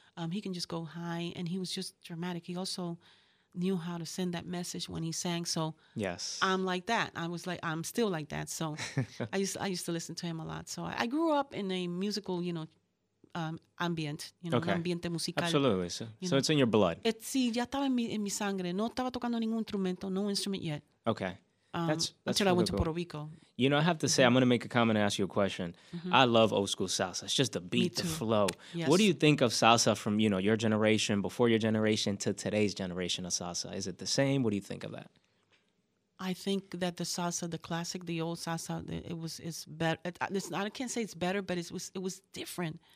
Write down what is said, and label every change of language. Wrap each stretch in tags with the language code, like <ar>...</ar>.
<en>He can just go high, and he was just dramatic. He also knew how to send that message when he sang. So yes, I'm like that. I was like, I'm still like that. So I used to listen to him a lot. So I grew up in a musical, you know, ambient, you know, okay.</en> <es>ambiente musical.</es> <en>Absolutely. So it's in your blood. It's</en> <es>sí, ya estaba en mi sangre. No estaba tocando ningún instrumento,</es> <en>no instrument yet. Okay. That's until really I went cool. to Puerto Rico. You know, I have to say, I'm going to make a comment and ask you a question. Mm-hmm. I love old school salsa. It's just the beat, the flow. Yes. What do you think of salsa from, you know, your generation, before your generation, to today's generation of salsa? Is it the same? What do you think of that? I think that the salsa, the classic, the old salsa, it's better. I can't say it's better, but it was different.</en>